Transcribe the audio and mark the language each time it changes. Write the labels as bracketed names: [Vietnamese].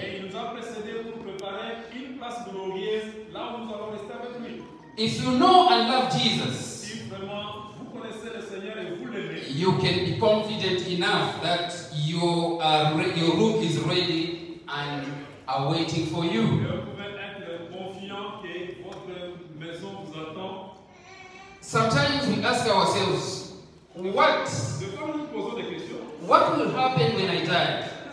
[French] Et il nous a précédé pour préparer une place glorieuse là où nous allons rester avec lui. [English] If you know and love Jesus, [French] si vraiment vous connaissez le Seigneur et vous l'aimez, [English] you can be confident enough that your room is ready and are waiting for you. [French] Vous pouvez être confiant que votre maison vous attend. [English] Sometimes we ask ourselves, what will happen when I die?